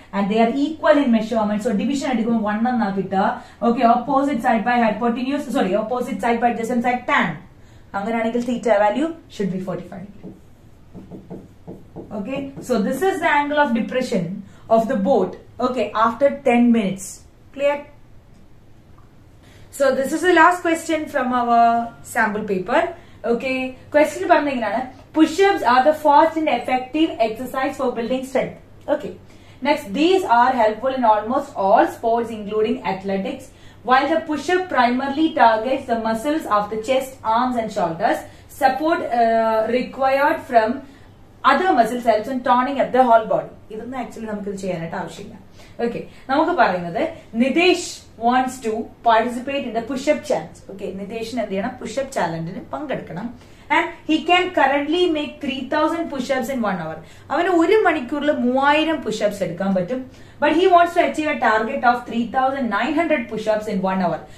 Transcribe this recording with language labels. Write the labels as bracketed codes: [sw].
[en] And they are equal in measurement. So [ml] division എടുക്കുമ്പോൾ 1 എന്നാ കിട്ടുക. [en] Okay, opposite side by hypotenuse, sorry opposite side by adjacent side tan. [ml] അങ്ങനെയാണെങ്കിൽ [en] Theta value should be 45 degree. Okay, so this is the angle of depression of the boat. Okay, after 10 minutes. Clear? So this is the last question from our sample paper. Okay, [ml] question parnengana, [en] push-ups are the fast and effective exercise for building strength. Okay, next, these are helpful in almost all sports including athletics. While the push-up primarily targets the muscles of the chest, arms and shoulders, support required from other muscle cells and toning at the whole body. [ml] ഇതൊന്നും actually നമുക്ക് ഇത് ചെയ്യാനായിട്ട് ആവശ്യമില്ല. Okay, നമുക്ക് പറയുന്നത് [en] Nitesh wants to participate in the pushup challenge. [ml] Okay, നിതേഷിന് എന്ത് ചെയ്യണം, pushup ചാലഞ്ചിന് പങ്കെടുക്കണം. [en] And he can currently make 3000 pushups in 1 hour. [ml] അവന് ഒരു മണിക്കൂറിൽ 3000 പുഷപ്സ് എടുക്കാൻ പറ്റും. [en] But he wants to achieve a target of 3900 pushups in 1 hour.